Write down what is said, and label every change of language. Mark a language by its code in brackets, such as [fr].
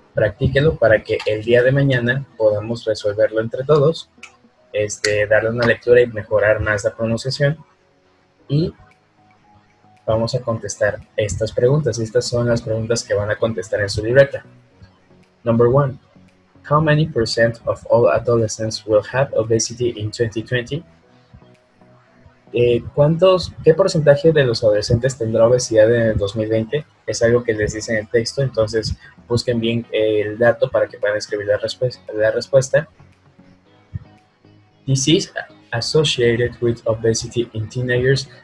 [es] Practíquelo para que el día de mañana podamos resolverlo entre todos. Darle una lectura y mejorar más la pronunciación. Y vamos a contestar estas preguntas. Estas son las preguntas que van a contestar en su libreta. [en] Number one. How many percent of all adolescents will have obesity in 2020? [es] ¿Qué porcentaje de los adolescentes tendrá obesidad en el 2020? Es algo que les dice en el texto, entonces busquen bien el dato para que puedan escribir la respuesta. [en] Disease associated with obesity in teenagers.